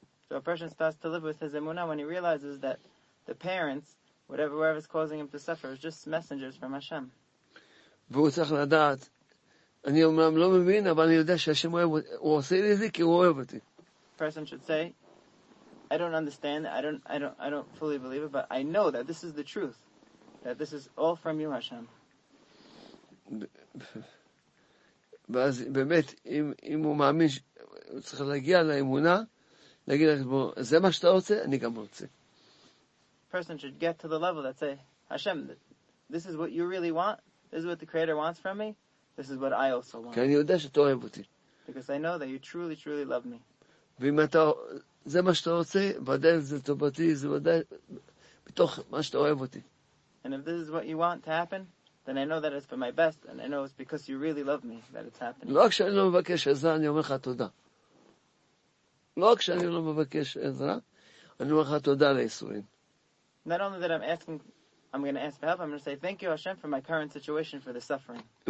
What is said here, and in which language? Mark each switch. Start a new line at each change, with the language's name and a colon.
English: a person starts to live with his emuna when he realizes that the parents, whatever is causing him to suffer is just messengers from Hashem.
Hebrew: והוא צריך לדעת, אני אומנם לא מבין, אבל אני יודע שהשם אוהב, הוא עושה לי זה כי הוא אוהב אותי.
English: Person should say, I don't understand, I don't fully believe it, but I know that this is the truth, that this is all from you, Hashem.
Hebrew: ואז באמת, אם הוא מאמין, הוא צריך להגיע לאמונה, להגיד לך, זה מה שאתה רוצה, אני גם רוצה.
English: Person should get to the level that say, Hashem, this is what you really want, this is what the Creator wants from me, this is what I also want.
Hebrew: כי אני יודע שאתה אוהב אותי.
English: Because I know that you truly, truly love me.
Hebrew: ואם אתה, זה מה שאתה רוצה, ודאי זה טובתי, זה ודאי, בתוך מה שאתה אוהב אותי.
English: And if this is what you want to happen, then I know that it's for my best, and I know it's because you really love me that it's happening.
Hebrew: לא כשאני לא מבקש עזרה, אני אומר לך תודה. לא כשאני לא מבקש עזרה, אני אומר לך תודה לאיסורים.
English: Not only that I'm going to ask for help, I'm going to say, thank you, Hashem, for my current situation, for the suffering.